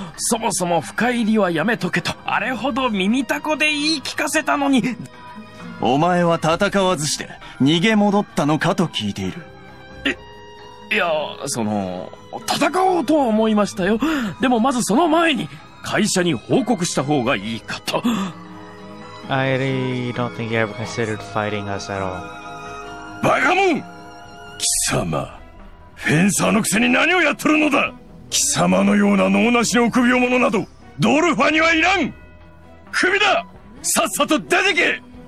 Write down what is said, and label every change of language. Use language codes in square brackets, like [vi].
[ja] そもそも深入りはやめとけとあれほど耳たこで言い聞かせたのに。お前は戦わずして逃げ戻ったのかと聞いている。いや、その戦おうとは思いましたよ。でもまずその前に会社に報告した方がいいかと。 [en] I really don't think you ever considered fighting us at all。 [ja] バカモン、貴様フェンサーのくせに何をやっとるのだ。貴様のような脳なしの臆病者などドルファにはいらん。クビだ、さっさと出てけ。